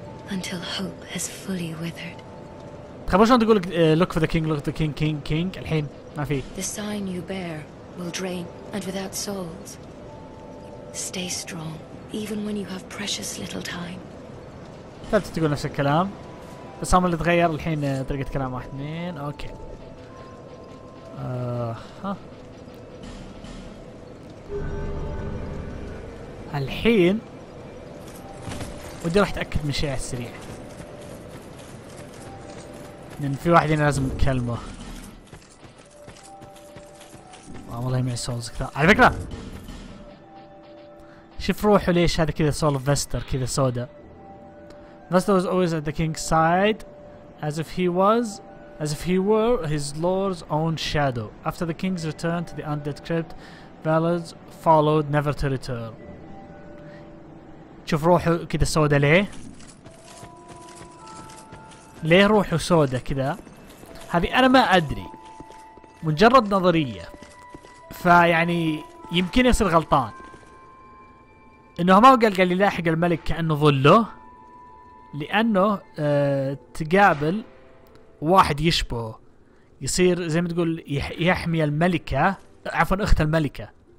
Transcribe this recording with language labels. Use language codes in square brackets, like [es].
[en] Until hope has fully withered. [ar] تخبر شلون تقول [en] look for the king look for the king king king [ar] الحين ما في. [en] The sign you bear will drain, and without souls. Stay strong, even when you have precious little time. [ar] ثلاثة تقول نفس الكلام. بس هم اللي تغير الحين طريقة كلام. واحد اثنين اوكي. ها الحين ودي راح اتاكد من شيء على السريع لان في واحد هنا لازم نكلمه. والله معي سولز كثير على فكره. شوف روحه ليش هذا كذا سول فيستر كذا سودا. [en] Vester was always at the king's side, as if he were his lord's own shadow. After the king's return to the undead crypt, Valor followed, never to return. [ar] شوف روحه كذا سودا ليه روحه سودا كذا؟ هذه أنا ما أدري. مجرد نظرية. فيعني يمكن يصير غلطان. إنه ما قال لي لاحق الملك كأنه ظله. لانه تقابل واحد يشبهه يصير زي ما تقول يحمي الملكه عفوا اخت الملكه.